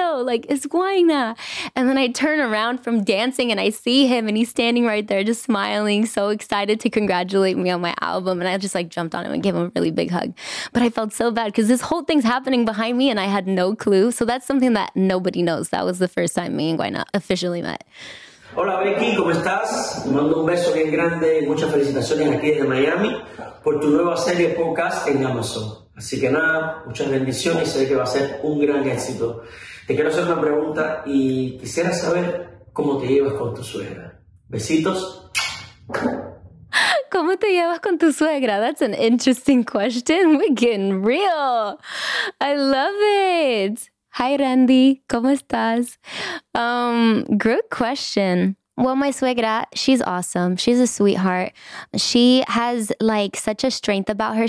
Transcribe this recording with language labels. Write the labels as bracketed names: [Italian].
[English] Like, it's Guayna. And then I turn around from dancing and I see him and he's standing right there just smiling, so excited to congratulate me on my album. And I just like jumped on him and gave him a really big hug. But I felt so bad because this whole thing's happening behind me and I had no clue. So that's something that nobody knows. That was the first time me and Guayna officially met. [Spanish] Hola Becky, ¿cómo estás? Te mando un beso bien grande y muchas felicitaciones aquí desde Miami por tu nueva serie podcast en Amazon. Así que nada, muchas bendiciones y sé que va a ser un gran éxito. Te quiero hacer una pregunta y quisiera saber cómo te llevas con tu suegra. Besitos. ¿Cómo te llevas con tu suegra? [English] That's an interesting question. We're getting real. I love it. Hi, Randy. [Spanish] ¿Cómo estás? [English] Great question. Well, my suegra, she's awesome. She's a sweetheart. She has like such a strength about her.